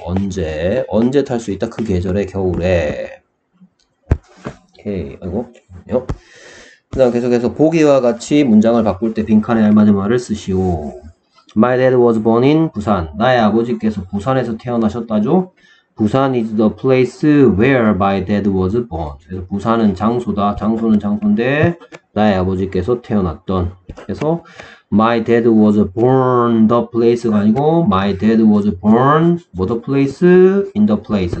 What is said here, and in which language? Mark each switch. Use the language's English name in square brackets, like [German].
[Korean] 언제 탈 수 있다 그 계절에 겨울에. 오케이. 아이고. 그 다음 계속해서 보기와 같이 문장을 바꿀 때 빈칸에 알맞은 말을 쓰시오. [English] My dad was born in 부산. [Korean] 나의 아버지께서 부산에서 태어나셨다죠. [English] Busan is the place where my dad was born. [Korean] 그래서 부산은 장소다. 장소는 장소인데 나의 아버지께서 태어났던. [English] 그래서 my dad was born the place가 아니고 my dad was born what the place in the place.